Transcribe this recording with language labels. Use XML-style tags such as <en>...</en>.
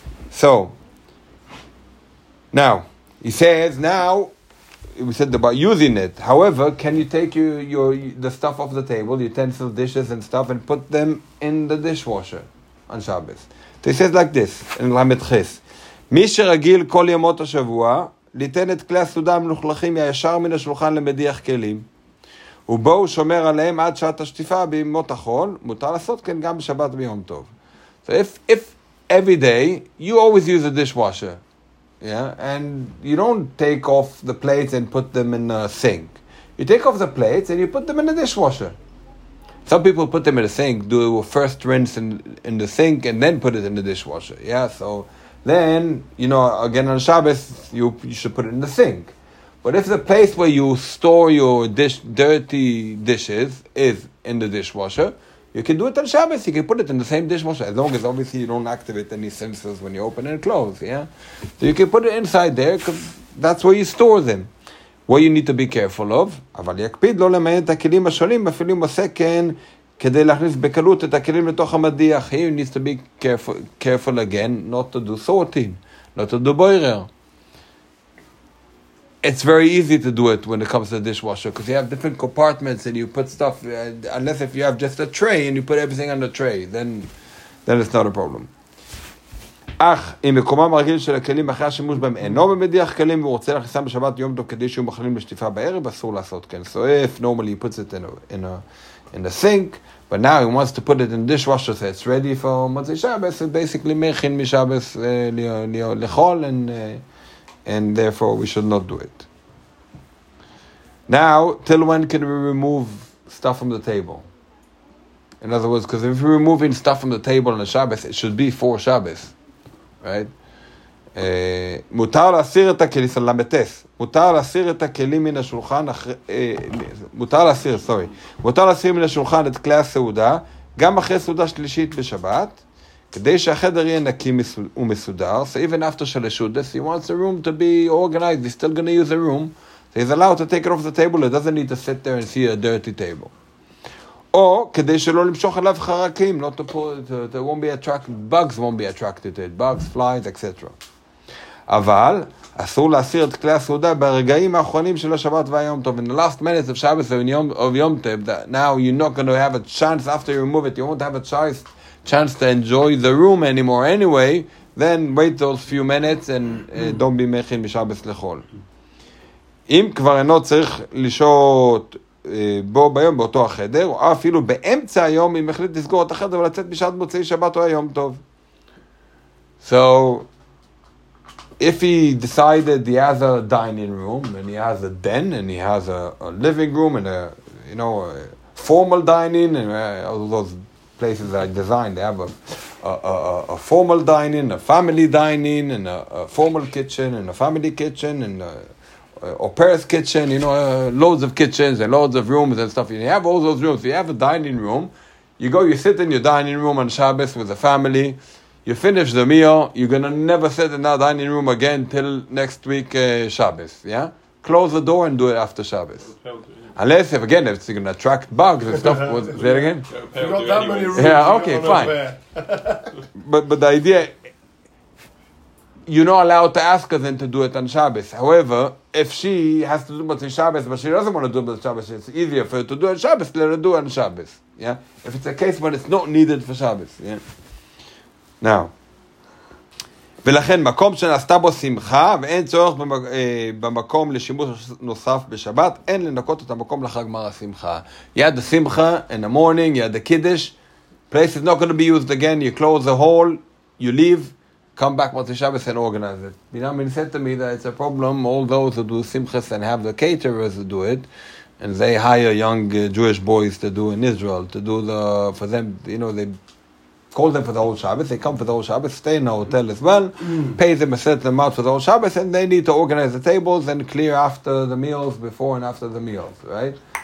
<en>So, now, he says, now, we said about using it. However, can you take your the stuff off the table, utensils, dishes and stuff, and put them in the dishwasher on Shabbos? So it says like this, in Lamed Ches.</en> <he>מי שרגיל כל ימות השבוע, ליתן את כלי הסעודה המלוכלכים הישר מן השולחן למדיח כלים, ובו הוא שומר עליהם עד שעת השטיפה בימות החול, מותר לעשות כן גם בשבת ביום טוב.</he> <en>So if every day, you always use a dishwasher, yeah, and you don't take off the plates and put them in a sink. You take off the plates and you put them in a dishwasher. Some people put them in a sink, do a first rinse in the sink, and then put it in the dishwasher. Yeah, so then, you know, again on Shabbos, you should put it in the sink. But if the place where you store your dirty dishes is in the dishwasher, you can do it on Shabbos. You can put it in the same dishwasher, as long as obviously you don't activate any sensors when you open and close, yeah? So you can put it inside there, because that's where you store them. What you need to be careful of,</en> <he>אבל יקפיד לא למיין את הכלים השונים, אפילו אם עושה כן, כדי להכניס בקלות את הכלים לתוך המדיח.</he> <en>He needs to be careful again, not to do sorting, not to do boirer. It's very easy to do it when it comes to the dishwasher, because you have different compartments and you put stuff, unless if you have just a tray and you put everything on the tray, then it's not a problem.</en> <he>אך אם מקומם הרגיל של הכלים אחרי השימוש בהם אינו במדיח כלים והוא רוצה להכניסם בשבת יום טוב כדי שהוא מכלים לשטיפה בערב, אסור לעשות כן.</he> <en>So if normally he puts it in a sink, but now he wants to put it in the dishwasher, so it's ready for מוצאי שבת, it's basically</en> <he>מכין משבת לחול,</he> <en>and therefore we should not do it. Now, till when can we remove stuff from the table? In other words, because if we're removing stuff from the table on the Shabbos, it should be for Shabbos. Right?</en> <he>מותר להסיר את הכלים, למתס. מותר להסיר את הכלים מן השולחן, מותר להסיר מן השולחן את כלי הסעודה, גם אחרי סעודה שלישית בשבת, כדי שהחדר יהיה נקי ומסודר.</he> <en>So even after Shalashudas, he wants the room to be organized, he's still going to use the room. So he's allowed to take it off the table, he doesn't need to sit there and see a dirty table.</en> <he>או כדי שלא למשוך עליו חרקים,</he> <en>not to put, there won't be attracted, bugs won't be attracted to it, bugs, flies, etc.</en> <he>אבל, אסור להסיר את כלי הסעודה ברגעים האחרונים של השבת והיום טוב.</he> <en>In the last minutes of Shabbos, of Yom Tov, now you're not going to have a chance after you remove it, you won't have a chance to enjoy the room anymore anyway, then wait those few minutes and don't be mechin</en> <he>משבת לחול. אם כבר אינו צריך לשאות בו ביום באותו החדר, או אפילו באמצע היום, אם החליט לסגור את החדר ולצאת בשעת מוצאי שבת או היום טוב.</he> <en>So, if he decided he has a dining room, and he has a den, and he has a living room, and a, you know, a formal dining, and all those places that I designed, they have a formal dining, a family dining, and a formal kitchen, and a family kitchen, and or Paris kitchen, you know, loads of kitchens and loads of rooms and stuff. And you have all those rooms. If you have a dining room, you go, you sit in your dining room on Shabbos with the family, you finish the meal, you're going to never sit in that dining room again till next week, Shabbos, yeah? Close the door and do it after Shabbos. Unless, if again, if it's going to attract bugs and stuff. Was, is that again? You got that many rooms. Yeah, okay, fine. but the idea, you're not allowed to ask her then to do it on Shabbos. However, if she has to do it on Shabbos, but she doesn't want to do it on Shabbos, it's easier for her to do it on Shabbos, let her do it on Shabbos. Yeah? If it's a case when it's not needed for Shabbos. Yeah? Now.</en> <he>ולכן, מקום שנעשתה בו שמחה, ואין צורך במקום לשימוש נוסף בשבת, אין לנקות את המקום לאחר גמר השמחה. יד השמחה,</he> <en>in the morning,</en> <he>יד הקידש,</he> <en>place is not going to be used again, you close the hall, you leave, come back once the Shabbos and organize it. Binyamin said to me that it's a problem, all those who do simchas and have the caterers to do it, and they hire young Jewish boys to do in Israel, to do the, for them, you know, they call them for the whole Shabbos, they come for the whole Shabbos, stay in a hotel as well, pay them a certain amount for the whole Shabbos, and they need to organize the tables and clear after the meals, before and after the meals, right?</en>